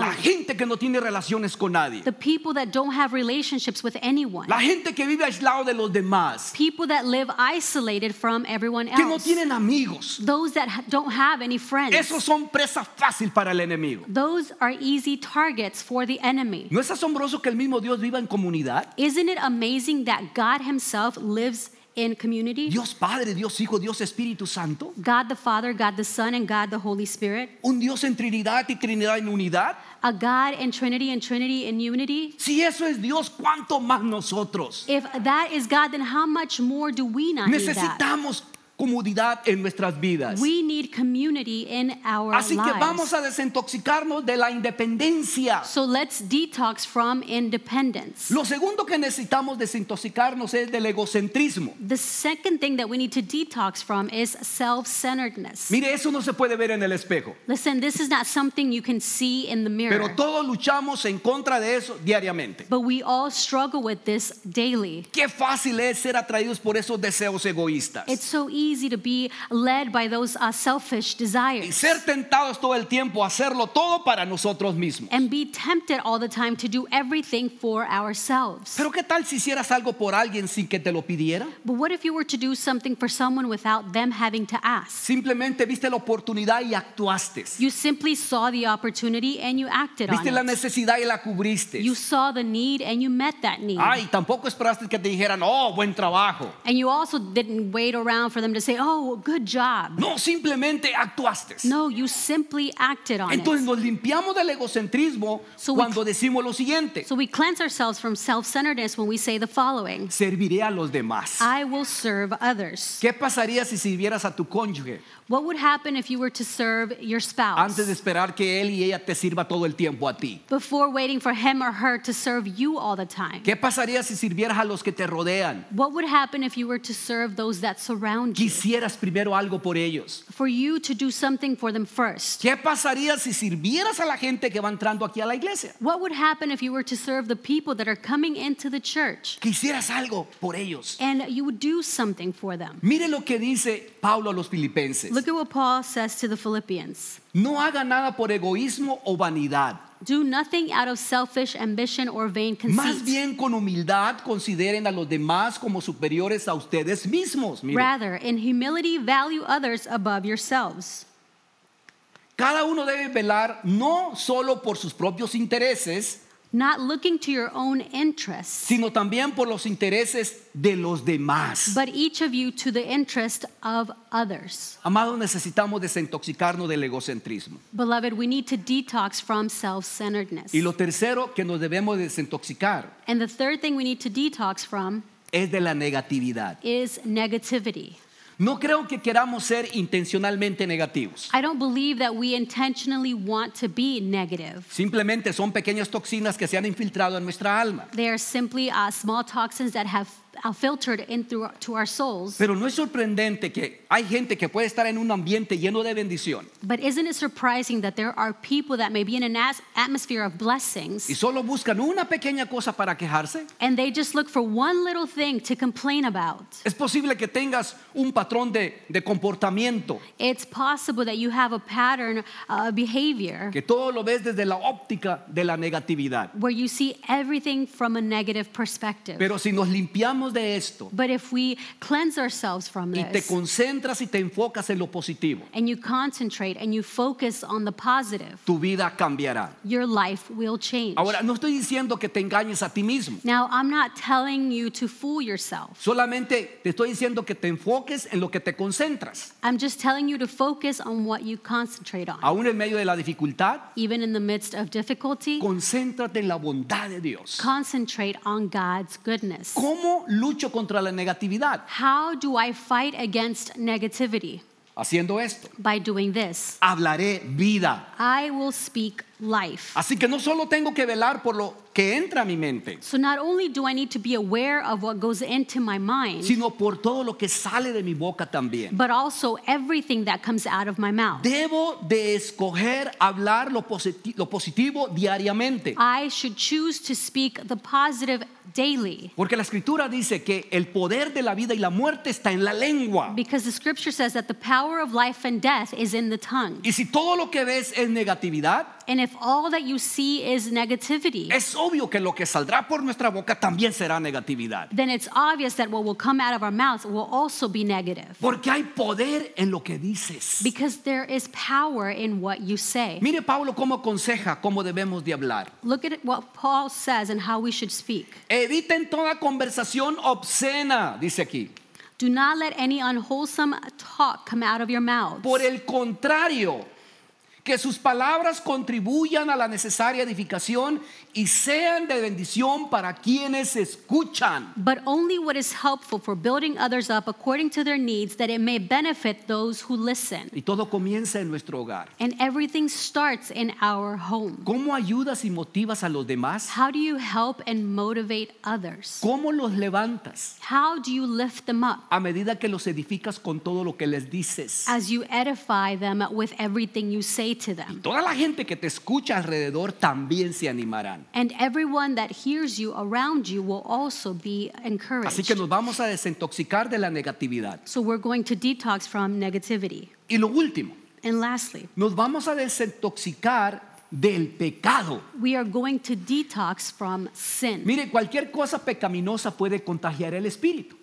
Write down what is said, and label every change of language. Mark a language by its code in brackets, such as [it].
[es] La gente que no tiene relaciones con nadie. [en] The people that don't have relationships with anyone. [es] La gente que vive aislado de los demás. [en] People that live isolated from everyone else. [es] Que no tienen amigos. [en] Those that don't have any friends. [es] Esos son presa fácil para el enemigo. [en] Those are easy targets for the enemy. [es] ¿No es asombroso que el mismo Dios viva en comunidad? [en] Isn't it amazing that God himself lives in community? [es] Dios Padre, Dios Hijo, Dios Espíritu Santo. [en] God the Father, God the Son, and God the Holy Spirit. [es] Un Dios en Trinidad y Trinidad en unidad. [en] A God in Trinity and Trinity in unity. [es] Si eso es Dios, ¿cuánto más nosotros? [en] If that is God, then how much more do we not [es] necesitamos [en] need that? [es] Comodidad en nuestras vidas. [en] We need community in our lives. [es] Así que vamos a desintoxicarnos de la independencia. [en] So let's detox from independence. [es] Lo segundo que necesitamos desintoxicarnos es del egocentrismo. [en] The second thing that we need to detox from is self-centeredness. [es] Mire, eso no se puede ver en el espejo. [en] Listen, this is not something you can see in the mirror. [es] Pero todos luchamos en contra de eso diariamente. [en] But we all struggle with this daily. [es] Qué fácil es ser atraídos por esos deseos egoístas. [en] It's so easy to be led by those selfish desires. [es] Y ser tentados todo el tiempo a hacerlo todo para nosotros mismos. [en] And be tempted all the time to do everything for ourselves. [es] Pero ¿qué tal si hicieras algo por alguien sin que te lo pidiera? [en] But what if you were to do something for someone without them having to ask? [es] Simplemente viste la oportunidad y actuaste. [en] You simply saw the opportunity and you acted on it. [es] Viste la necesidad y la cubriste. [en] You saw the need and you met that need. [es] Ay, tampoco esperaste que te dijeran, oh, buen trabajo. [en] And you also didn't wait around for them to say, oh, good job. [es] No, simplemente actuaste. [en] No, you simply acted on [es] entonces, [en] it. [es] Entonces nos limpiamos del egocentrismo so cuando decimos lo siguiente. [en] So we cleanse ourselves from self-centeredness when we say the following. [es] Serviré a los demás. [en] I will serve others. [es] ¿Qué pasaría si sirvieras a tu cónyuge? [en] What would happen if you were to serve your spouse? [es] Antes de esperar que él y ella te sirva todo el tiempo a ti. [en] Before waiting for him or her to serve you all the time. [es] ¿Qué pasaría si sirvieras a los que te rodean? [en] What would happen if you were to serve those that surround you? [es] Quisieras primero algo por ellos. [en] For you to do something for them first. [es] ¿Qué pasaría si sirvieras a la gente que va entrando aquí a la iglesia? [en] What would happen if you were to serve the people that are coming into the church? [es] Quisieras algo por ellos. [en] And you would do something for them. [es] Mire lo que dice Pablo a los Filipenses. [en] Look at what Paul says to the Philippians. [es] No haga nada por egoísmo o vanidad. [en] Do nothing out of selfish ambition or vain conceit. [es] Más bien con humildad consideren a los demás como superiores a ustedes mismos. Mire. [en] Rather, in humility, value others above yourselves. [es] Cada uno debe velar no solo por sus propios intereses, [en] not looking to your own interests, [es] sino también por los intereses de los demás. [en] But each of you to the interest of others. [es] Amado, necesitamos desintoxicarnos del egocentrismo. [en] Beloved, we need to detox from self-centeredness. [es] Y lo tercero que nos debemos desintoxicar. [en] And the third thing we need to detox from [es] es de la negatividad. [en] Is negativity. [es] No creo que queramos ser intencionalmente negativos. [en] I don't believe that we intentionally want to be negative. [es] Simplemente son pequeñas toxinas que se han infiltrado en nuestra alma. [en] They are simply small toxins that have filtered in through to our souls. [es] Pero no es sorprendente que hay gente que puede estar en un ambiente lleno de bendición. [en] But isn't it surprising that there are people that may be in an atmosphere of blessings? [es] Y solo buscan una pequeña cosa para quejarse. [en] And they just look for one little thing to complain about. [es] Es posible que tengas un patrón de comportamiento. [en] It's possible that you have a pattern of behavior. [es] Que todo lo ves desde la óptica de la negatividad. [en] Where you see everything from a negative perspective. [es] Pero si nos limpiamos de esto, [en] but if we cleanse ourselves from [es] y te concentras y te enfocas en lo positivo, [en] and you concentrate and you focus on the positive, [es] tu vida cambiará. [en] Your life will change. [es] Ahora, no estoy diciendo que te engañes a ti mismo. [en] Now, I'm not telling you to fool yourself. [es] Solamente te estoy diciendo que te enfoques en lo que te concentras. [en] I'm just telling you to focus on what you concentrate on. [es] Aún en medio de la dificultad, [en] even in the midst of difficulty, [es] concéntrate en la bondad de Dios. [en] Concentrate on God's goodness. [es] ¿Cómo lucho contra la negatividad? [en] How do I fight against negativity? [es] Haciendo esto. [en] By doing this. [es] Hablaré vida. [en] I will speak life. [es] Así que no solo tengo que velar por lo que entra a mi mente. [en] So not only do I need to be aware of what goes into my mind. [es] Sino por todo lo que sale de mi boca también. [en] But also everything that comes out of my mouth. [es] Debo de escoger hablar lo positivo diariamente. [en] I should choose to speak the positive daily. [es] Porque la escritura dice que el poder de la vida y la muerte está en la lengua. [en] Because the scripture says that the power of life and death is in the tongue. [es] Y si todo lo que ves es negatividad, [en] and if all that you see is negativity, [es] es obvio que lo que saldrá por nuestra boca también será negatividad. [en] Then it's obvious that what will come out of our mouths will also be negative. [es] Porque hay poder en lo que dices. [en] Because there is power in what you say. [es] Mire Pablo cómo aconseja cómo debemos de hablar. [en] Look at what Paul says and how we should speak. [es] Eviten toda conversación obscena, dice aquí. [en] Do not let any unwholesome talk come out of your mouths. [es] Por el contrario, que sus palabras contribuyan a la necesaria edificación y sean de bendición para quienes escuchan. [en] But only what is helpful for building others up according to their needs, that it may benefit those who listen. [es] Y todo comienza en nuestro hogar. [en] And everything starts in our home. [es] ¿Cómo ayudas y motivas a los demás? [en] How do you help and motivate others? [es] ¿Cómo los levantas? [en] How do you lift them up? [es] A medida que los edificas con todo lo que les dices. [en] As you edify them with everything you say to them. [es] Y toda la gente que te escucha alrededor también se animará. [en] And everyone that hears you around you will also be encouraged. [es] Así que nos vamos a desintoxicar de la negatividad. [en] So we're going to detox from negativity. [es] Y lo último. [en] And lastly. [es] Nos vamos a desintoxicar del pecado. [en] We are going to detox from sin. [es] Mire, cualquier cosa pecaminosa puede contagiar el espíritu.